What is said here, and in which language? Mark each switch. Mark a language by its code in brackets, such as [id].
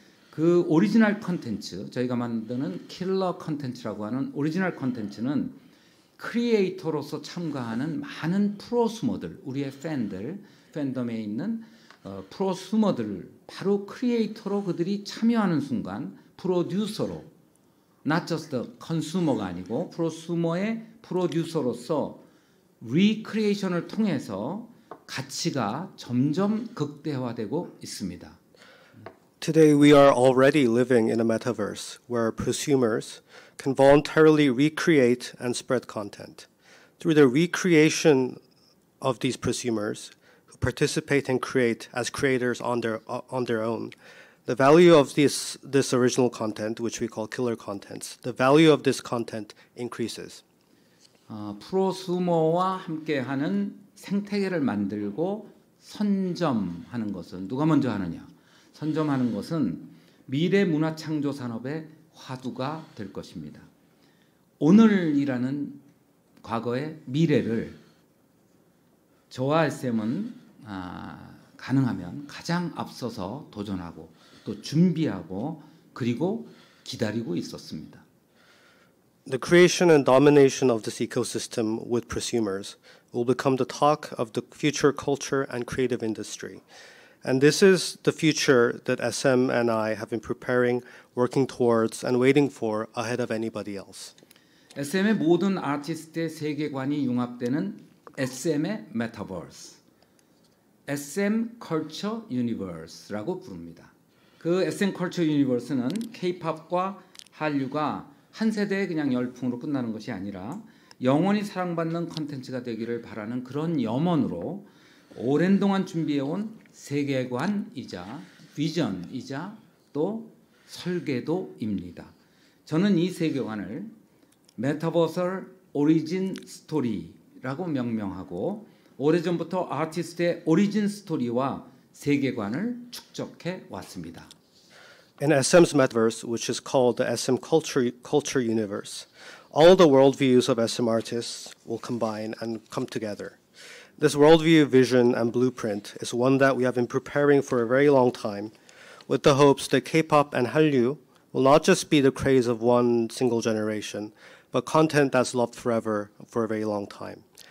[ko] 그 오리지널 콘텐츠, 저희가 만드는 킬러 콘텐츠라고 하는 오리지널 콘텐츠는 크리에이터로서 참가하는 많은 프로스머들, 우리의 팬들, 팬덤에 있는 프로스머들을 바로 크리에이터로 그들이 참여하는 순간 프로듀서로 [en] not just the consumer [ko] 가 아니고 프로스머의 프로듀서로서 리크리에이션을 통해서 가치가 점점 극대화되고 있습니다. [en] Today we are already living in a metaverse where prosumers can voluntarily recreate and spread content. Through the recreation of these prosumers who participate and create as creators on their own, the value of this original content, which we call killer contents, the value of this content increases. [ko] 프로스머와 함께하는 생태계를 만들고 선점하는 것은 누가 먼저 하느냐? 선점하는 것은 미래 문화 창조 산업의 화두가 될 것입니다. 오늘이라는 과거의 미래를 저와 SM은 가능하면 가장 앞서서 도전하고 또 준비하고 그리고 기다리고 있었습니다. [en] The creation and domination of this ecosystem with prosumers will become the talk of the future culture and creative industry. And this is the future that SM and I have been preparing, working towards, and waiting for ahead of anybody else. [ko] SM의 모든 아티스트의 세계관이 융합되는 SM의 Metaverse, SM Culture Universe라고 부릅니다. 그 SM Culture Universe는 K-POP과 한류가 한 세대의 그냥 열풍으로 끝나는 것이 아니라 영원히 사랑받는 콘텐츠가 되기를 바라는 그런 염원으로 오랜 동안 준비해온 세계관이자 비전이자 또 설계도입니다. 저는 이 세계관을 메타버설 오리진 스토리라고 명명하고 오래전부터 아티스트의 오리진 스토리와 세계관을 축적해 왔습니다. [en] In SM's metaverse, which is called the SM Culture Universe, all the worldviews of SM artists will combine and come together. This worldview, vision, and blueprint is one that we have been preparing for a very long time with the hopes that K-pop and Hallyu will not just be the craze of one single generation, but content that's loved forever for a very long time.